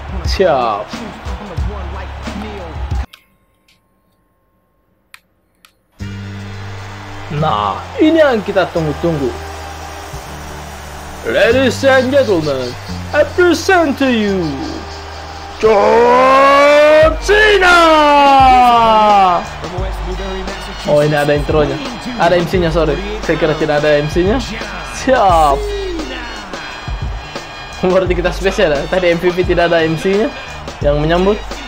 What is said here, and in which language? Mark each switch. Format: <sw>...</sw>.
<id>Siap. Nah, ini yang kita tunggu-tunggu.</id> <en>Ladies and gentlemen, I present to you John Cena.</en> <id>Oh, ini ada intronya. Ada MC-nya, sorry. Saya kira tidak ada MC-nya. Siap. Berarti kita spesial ya. Tadi MVP tidak ada MC-nya yang menyambut.</id>